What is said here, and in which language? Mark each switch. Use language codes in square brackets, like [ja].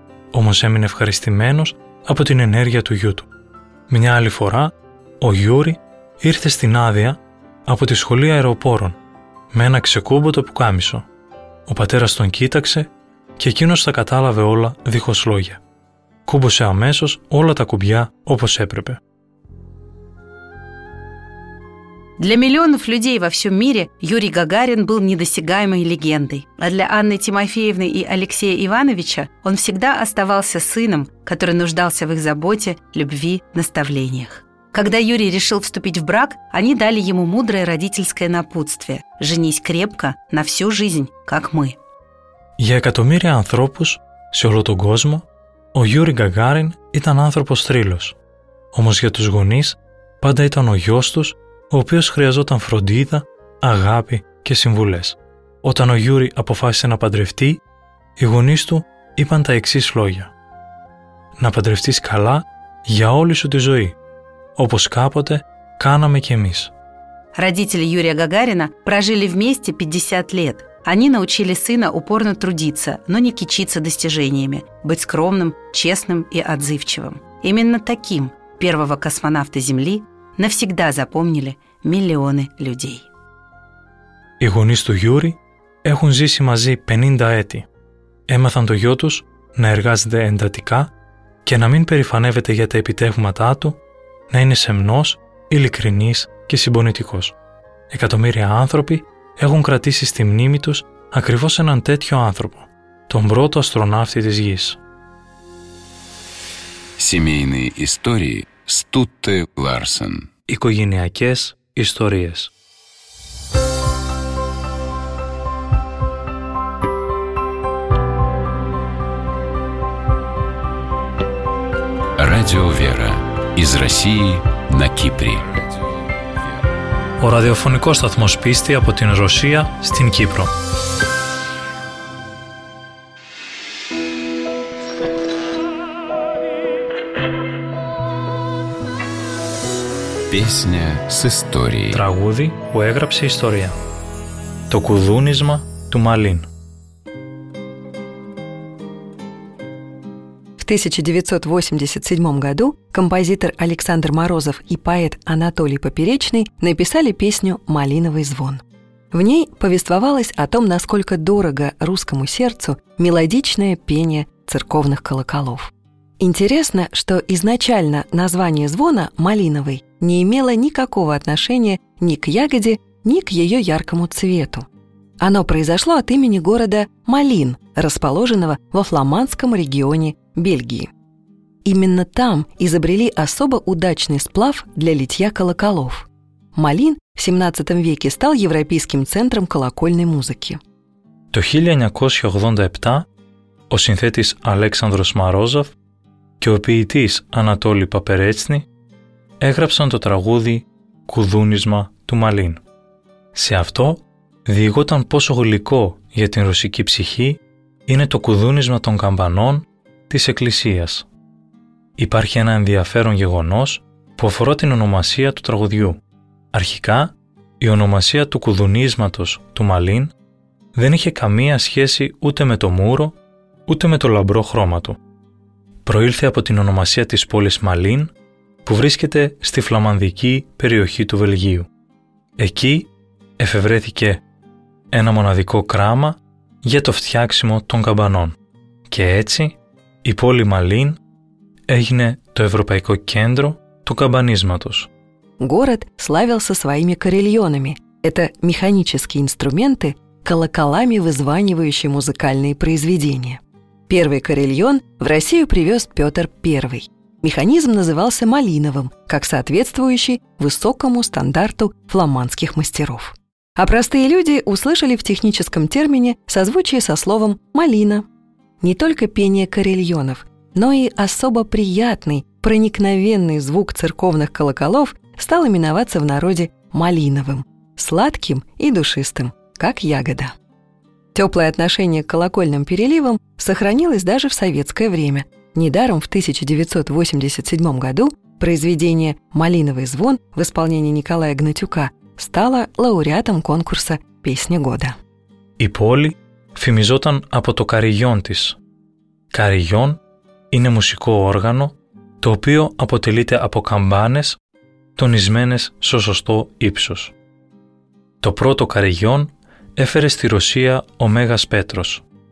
[el] Όμως έμεινε ευχαριστημένος από την ενέργεια του γιού του. Μια άλλη φορά, ο Γιούρι ήρθε στην άδεια από τη σχολή αεροπόρων με ένα ξεκούμποτο πουκάμισο. Ο πατέρας τον κοίταξε και εκείνος τα κατάλαβε όλα δίχως λόγια. Κούμπωσε αμέσως όλα τα κουμπιά όπως έπρεπε. [ru] Для миллионов людей во всем мире Юрий Гагарин был недосягаемой легендой. А для Анны Тимофеевны и Алексея Ивановича он всегда оставался сыном, который нуждался в их заботе, любви, наставлениях. Когда Юрий решил вступить в брак, они дали ему мудрое родительское напутствие: «Женись крепко, на всю жизнь, как мы». [el] Για εκατομμύρια ανθρώπους σε όλο τον κόσμο, ο Γιούρι Γκαγκάριν ήταν άνθρωπος θρύλος. Όμως για τους γονείς, πάντα ήταν ο γιος τους, ο οποίος χρειαζόταν φροντίδα, αγάπη και συμβουλές. Όταν ο Γιούρι αποφάσισε να παντρευτεί, οι γονείς του είπαν τα εξής λόγια: να παντρευτείς καλά για όλη σου τη ζωή, όπως κάποτε κάναμε και εμείς. [ru] Родители Юрия Гагарина прожили вместе 50 лет. Они научили сына упорно трудиться, но не кичиться достижениями, быть скромным, честным и отзывчивым. Именно таким первого космонавта Земли навсегда запомнили миллионы людей. [el] Οι γονείς του Γιούρι έχουν ζήσει μαζί 50 έτη. Έμαθαν το γιο τους να εργάζεται εντατικά και να μην περηφανεύεται για τα επιτεύγματά του, να είναι σεμνός, ειλικρινής και συμπονητικός. Εκατομμύρια άνθρωποι έχουν κρατήσει στη μνήμη τους ακριβώς έναν τέτοιο άνθρωπο, τον πρώτο αστροναύτη της Γης. [ru] Семейные истории Стутте Ларсен. [el] Οικογενειακές ιστορίες. [ru] Радио Вера из России на Кипре. [el] Ο ραδιοφωνικός σταθμός πίστη από την Ρωσία στην Κύπρο. [ru] Песня с историей. [el] Τραγούδι που έγραψε ιστορία. Το κουδούνισμα του Μαλίν. [ru] В 1987 году композитор Александр Морозов и поэт Анатолий Поперечный написали песню «Малиновый звон». В ней повествовалось о том, насколько дорого русскому сердцу мелодичное пение церковных колоколов. Интересно, что изначально название звона «малиновый» не имело никакого отношения ни к ягоде, ни к ее яркому цвету. Оно произошло от имени города Малин, расположенного во фламандском регионе Бельгии. Именно там изобрели особо удачный сплав для литья колоколов. Малин в 17 веке стал европейским центром колокольной музыки. [el] Το 1987 ο συνθέτης Αλέξανδρος Μαρόζοφ και ο ποιητής Ανατόλη Παπερέτσνη έγραψαν το τραγούδι «Κουδούνισμα του Μαλίν». Σε αυτό διηγόταν πόσο γλυκό για την ρωσική ψυχή είναι το κουδούνισμα των καμπανών της εκκλησίας. Υπάρχει ένα ενδιαφέρον γεγονός που αφορά την ονομασία του τραγουδιού. Αρχικά, η ονομασία του κουδουνίσματος του Μαλίν δεν είχε καμία σχέση ούτε με το μούρο, ούτε με το λαμπρό χρώμα του. Προήλθε από την ονομασία της πόλης Μαλίν, που βρίσκεται στη φλαμανδική περιοχή του Βελγίου. Εκεί εφευρέθηκε ένα μοναδικό κράμα για το φτιάξιμο των καμπανών. Και έτσι, η πόλη Μαλίν έγινε το ευρωπαϊκό κέντρο του καμπανίσματος. [ru] Город славился своими карельонами. Это механические инструменты, колоколами вызванивающие музыкальные произведения. Первый карельон в Россию привез Петр I. Механизм назывался малиновым, как соответствующий высокому стандарту фламандских мастеров. А простые люди услышали в техническом термине созвучие со словом «малина». Не только пение карельонов, но и особо приятный, проникновенный звук церковных колоколов стал именоваться в народе малиновым, сладким и душистым, как ягода. Теплое отношение к колокольным переливам сохранилось даже в советское время. Недаром в 1987 году произведение «Малиновый звон» в исполнении Николая Гнатюка стало лауреатом конкурса «Песня года». [el] И поле фемизотан από το καριγιόν της. Καριγιόν είναι μουσικό όργανο το οποίο αποτελείται από καμπάνες τονισμένες στο σωστό ύψος. Το πρώτο καριγιόν έφερε στη Ρωσία ο Μέγας Πέτρος.